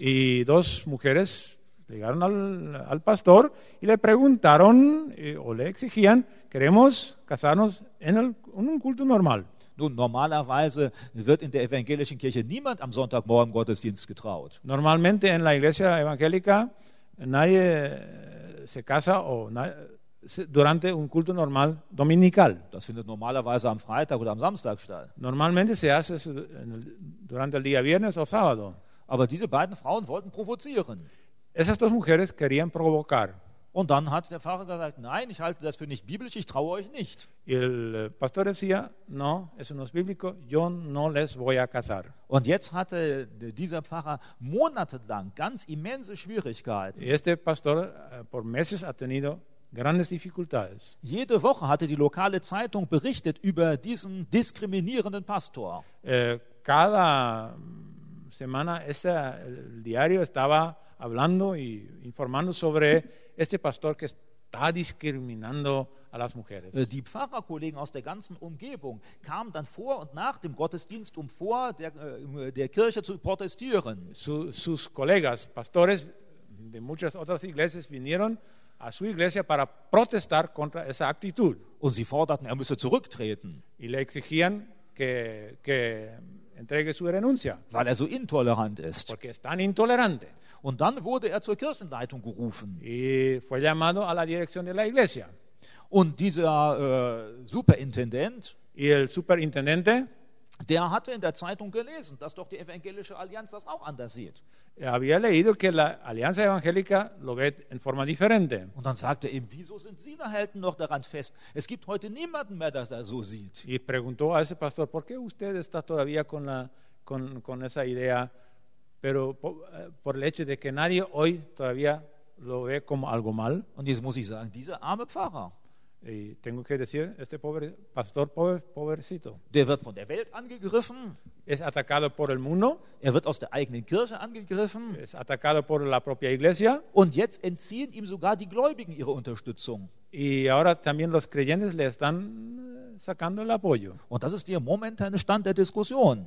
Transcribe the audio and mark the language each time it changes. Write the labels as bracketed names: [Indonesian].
[Spanish] Y dos mujeres llegaron al pastor y le preguntaron o le exigían, queremos casarnos en un culto normal. [German] Nun, normalerweise wird in der evangelischen Kirche niemand am Sonntagmorgen Gottesdienst getraut. [Spanish] Normalmente en la iglesia evangélica nadie se casa durante un culto normal dominical. [German] Das findet normalerweise am Freitag oder am Samstag statt. [Spanish] Normalmente se hace durante el día viernes o sábado. [German] Aber diese beiden Frauen wollten provozieren. [Spanish] Esas dos mujeres querían provocar. [German] Und dann hat der Pfarrer gesagt, nein, ich halte das für nicht biblisch, ich traue euch nicht. [Spanish] El pastor decía, no, eso no es bíblico, yo no les voy a casar. [German] Und jetzt hatte dieser Pfarrer monatelang ganz immense Schwierigkeiten. [Spanish] Este pastor por meses ha tenido grandes dificultades. [German] Jede Woche hatte die lokale Zeitung berichtet über diesen diskriminierenden Pastor. [Spanish] Cada semana ese diario estaba hablando y informando sobre este pastor que está discriminando a las mujeres. [German] Die Pfarrerkollegen aus der ganzen Umgebung kamen dann vor und nach dem Gottesdienst, um vor der Kirche zu protestieren. [Spanish] Sus colegas, pastores de muchas otras iglesias, vinieron a su iglesia para protestar contra esa actitud. [German] Und sie forderten, er müsse zurücktreten. [Spanish] Y le exigían que entregue su renuncia. [German] Weil er so intolerant ist. [Spanish] Porque es tan intolerante. [German] Und dann wurde er zur Kirchenleitung gerufen. [Spanish] Y fue llamado a la dirección de la iglesia. [German] Und dieser Superintendent, [Spanish] y el superintendente, [German] der hatte in der Zeitung gelesen, dass doch die Evangelische Allianz das auch anders sieht. [Spanish] Había leído que la Alianza Evangélica lo ve en forma diferente. [German] Und dann sagte er ihm, wieso sind Sie da halten noch daran fest? Es gibt heute niemanden mehr, der das so sieht. [Spanish] Y preguntó a ese pastor, ¿por qué usted está todavía con esa idea? Pero por el hecho de que nadie hoy todavía lo ve como algo mal. [German] Und jetzt muss ich sagen, dieser arme Pfarrer. [Spanish] Y tengo que decir, este pobre pastor, pobrecito. [German] Der wird von der Welt angegriffen. [Spanish] Es atacado por el mundo. [German] Er wird aus der eigenen Kirche angegriffen. [Spanish] Es atacado por la propia iglesia. [German] Und jetzt entziehen ihm sogar die Gläubigen ihre Unterstützung. [Spanish] Y ahora también los creyentes le están sacando el apoyo. [German] Und das ist der momentane Stand der Diskussion.